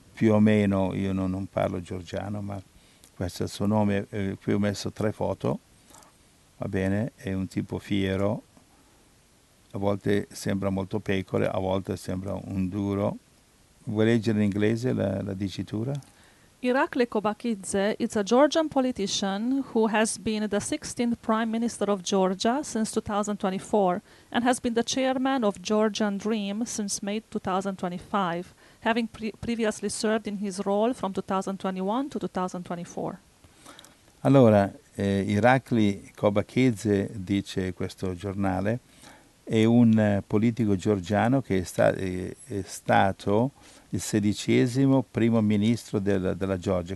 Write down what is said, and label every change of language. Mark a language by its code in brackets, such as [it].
[it] Più o meno, io non parlo georgiano, ma questo è il suo nome. Qui ho messo tre foto, va bene, è un tipo fiero, a volte sembra molto pecore, a volte sembra un duro. Vuoi leggere in inglese la dicitura? [en] Irakli Kobakidze is a Georgian politician who has been the 16th Prime Minister of Georgia since 2024 and has been the chairman of Georgian Dream since May 2025, having previously served in his role from 2021 to 2024. [it] Allora, Irakli Kobakidze, dice questo giornale, è un politico georgiano che è stato il 16° primo ministro della Georgia.